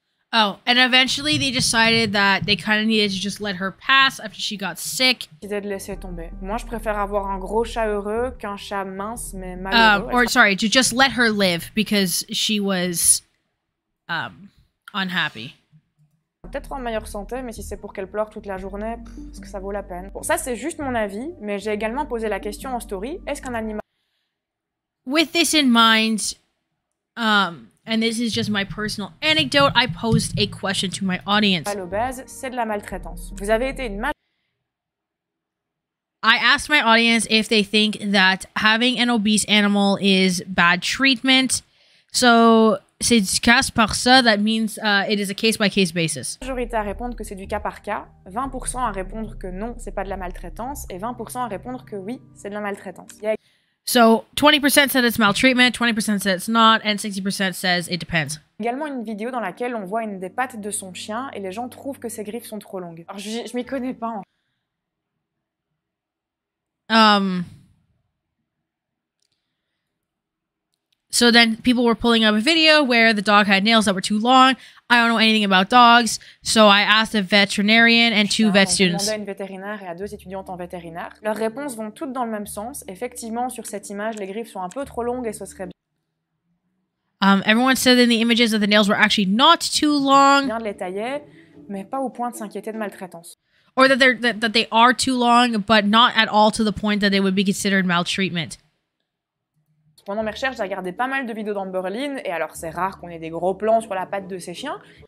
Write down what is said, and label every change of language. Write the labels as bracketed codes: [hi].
[en] Oh, and eventually they decided that they kind of needed to just let her pass after she got sick. [fr] De laisser tomber. Moi, je préfère avoir un gros chat heureux qu'un chat mince mais malheureux. [en] To just let her live because she was unhappy. [fr] Peut-être en meilleure santé, mais si c'est pour qu'elle pleure toute la journée, est-ce que ça vaut la peine? Bon, ça c'est juste mon avis, mais j'ai également posé la question en story, est-ce qu'un animal... [en] With this in mind, and this is just my personal anecdote, I posed a question to my audience. [fr] L'obèse, c'est de la maltraitance. Vous avez été une mal... [en] I asked my audience if they think that having an obese animal is bad treatment. So, [fr] c'est du cas par ça, [en] that means it is a case-by-case basis. [fr] La majorité à répondre que c'est du cas par cas, 20% à répondre que non, c'est pas de la maltraitance, et 20% à répondre que oui, c'est de la maltraitance. [en] Yeah. So, 20% said it's maltreatment, 20% said it's not, and 60% says it depends. [fr] Également une vidéo dans laquelle on voit une des pattes de son chien et les gens trouvent que ses griffes sont trop longues. Alors, je m'y connais pas. En... [en] So then people were pulling up a video where the dog had nails that were too long. I don't know anything about dogs, so I asked a veterinarian and two vet students. [fr] Une vétérinaire et à deux étudiantes en vétérinaire. Leurs réponses vont toutes dans le même sens. Effectivement, sur cette image, les griffes sont un peu trop longues et ce serait bien. [en] Everyone said in the images that the nails were actually not too long. [fr] Bien de les tailler, mais pas au point de s'inquiéter de maltraitance. [en] Or that they're that they are too long, but not at all to the point that they would be considered maltreatment. [fr] Pendant mes recherches, j'ai regardé pas mal de vidéos d'Amberlynn, et alors c'est rare qu'on ait des gros plans sur la patte de ses chiens.